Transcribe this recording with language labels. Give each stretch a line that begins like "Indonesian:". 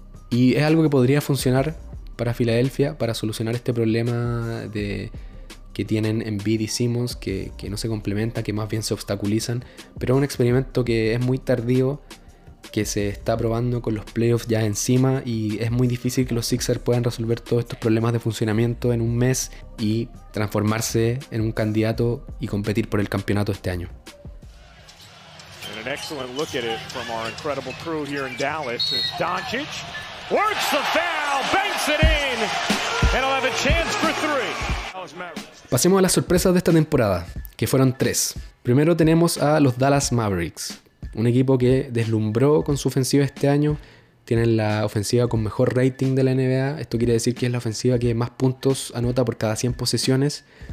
Spanish: Y es algo que podría funcionar para Filadelfia, para solucionar este problema de que tienen Embiid y Simmons, que no se complementa, que más bien se obstaculizan. Pero es un experimento que es muy tardío, que se está probando con los playoffs ya encima, y es muy difícil que los Sixers puedan resolver todos estos problemas de funcionamiento en un mes y transformarse en un candidato y competir por el campeonato este año.
English: And an excellent look at it from our incredible crew here in Dallas as Doncic works the foul, banks it in, and he'll have a chance for three.
Spanish: Pasemos a las sorpresas de esta temporada, que fueron tres. Primero tenemos a los Dallas Mavericks, un equipo que deslumbró con su ofensiva este año. Tienen la ofensiva con mejor rating de la NBA. Esto quiere decir que es la ofensiva que más puntos anota por cada 100 posesiones.